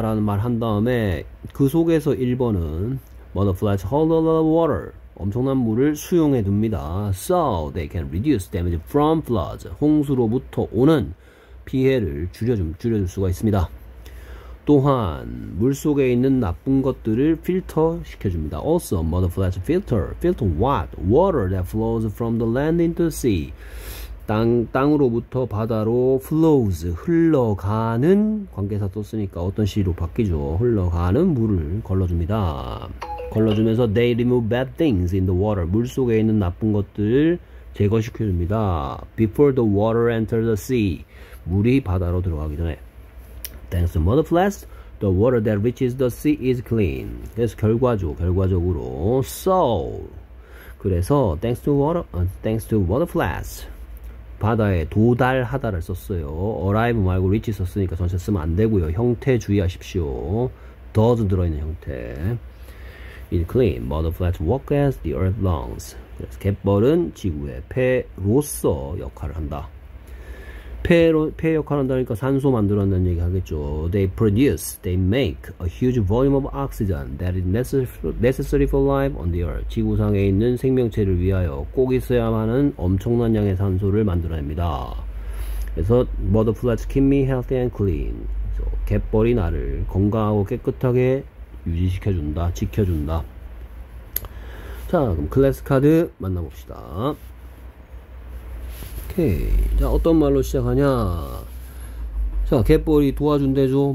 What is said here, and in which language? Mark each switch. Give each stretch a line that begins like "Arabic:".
Korean: 라는 말한 다음에 그 속에서 1번은
English: Mudflats hold a lot of water.
Korean: 엄청난 물을 수용해 둡니다.
English: So they can reduce damage from floods.
Korean: 홍수로부터 오는 피해를 줄여줄 수가 있습니다. 또한 물 속에 있는 나쁜 것들을 필터 시켜줍니다.
English: Also, Mudflats filter what? Water that flows from the land into the sea.
Korean: 땅으로부터 바다로 flows, 흘러가는 관계사 썼으니까 어떤 시로 바뀌죠? 흘러가는 물을 걸러줍니다. 걸러주면서
English: they remove bad things in the water.
Korean: 물 속에 있는 나쁜 것들 제거시켜줍니다.
English: Before the water enters the sea.
Korean: 물이 바다로 들어가기 전에.
English: Thanks to mud flats, the water that reaches the sea is clean.
Korean: 그래서 결과적으로. So. 그래서,
English: thanks to water flats.
Korean: 바다에 도달하다를 썼어요. arrive 말고 reach 썼으니까 전체 쓰면 안 되고요. 형태 주의하십시오.
English: does
Korean: 들어있는 형태.
English: is clean. Mud flats walk as the earth longs.
Korean: 그래서 갯벌은 지구의 폐로서 역할을 한다. 폐 역할을 한다니까 산소 만들었다는 얘기 하겠죠.
English: They make a huge volume of oxygen that is necessary for life on the earth.
Korean: 지구상에 있는 생명체를 위하여 꼭 있어야 하는 엄청난 양의 산소를 만들어냅니다. 그래서
English: mud flats keep me healthy and clean.
Korean: 그래서 갯벌이 나를 건강하고 깨끗하게 유지시켜준다, 지켜준다. 자, 그럼 클래스 카드 만나봅시다. 오케이. 자, 어떤 말로 시작하냐. 자, 갯벌이 도와준대죠.